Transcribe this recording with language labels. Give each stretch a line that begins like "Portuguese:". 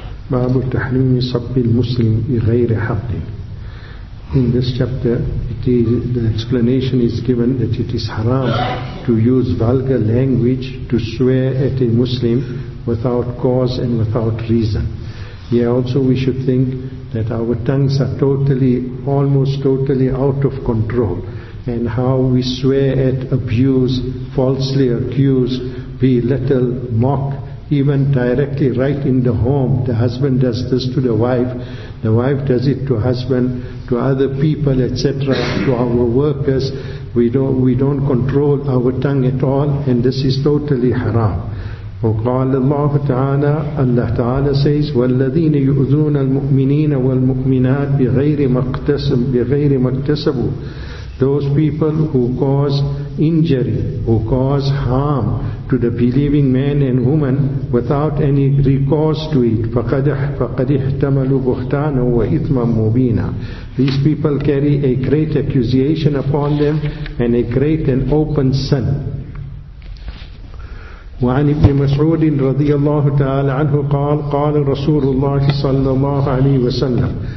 Arabic: باب تحريم صب المسلم بغير حق.
English: In this chapter, the explanation is given that it is haram to use vulgar language to swear at a Muslim without cause and without reason. Here also we should think that our tongues are almost totally out of control, and how we swear at, abuse, falsely accuse, belittle, mock, even directly right in the home. The husband does this to the wife does it to husband, to other people, etc., to our workers. We don't control our tongue at all, and this is totally haram.
Arabic: وقال الله تعالى الله تعالى
English: says
Arabic: والذين يؤذون المؤمنين والمؤمنات بغير ما اكتسبوا.
English: Those people who cause injury, who cause harm to the believing man and woman without any recourse to it,
Arabic: فقد احتملوا بهتانا وإثما مبينا.
English: These people carry a great accusation upon them and a great and open sin.
Arabic: وعن ابن مسعود رضي الله تعالى عنه قال قال رسول الله صلى الله عليه وسلم.